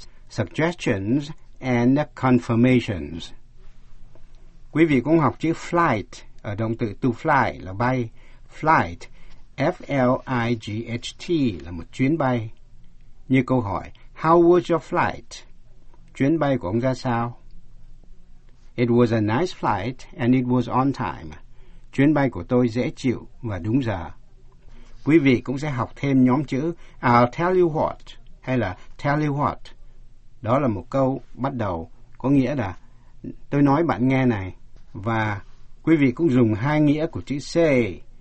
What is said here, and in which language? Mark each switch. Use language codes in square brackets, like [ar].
[en] Suggestions and confirmations. [vi] Quý vị cũng học chữ flight ở động từ to fly là bay. Flight, F-L-I-G-H-T là một chuyến bay. Như câu hỏi, [en] how was your flight? [vi] Chuyến bay của ông ra sao? [en] It was a nice flight and it was on time. [vi] Chuyến bay của tôi dễ chịu và đúng giờ. Quý vị cũng sẽ học thêm nhóm chữ [en] I'll tell you what [vi] hay là [en] tell you what. [vi] Đó là một câu bắt đầu có nghĩa là tôi nói bạn nghe này. Và quý vị cũng dùng hai nghĩa của chữ say.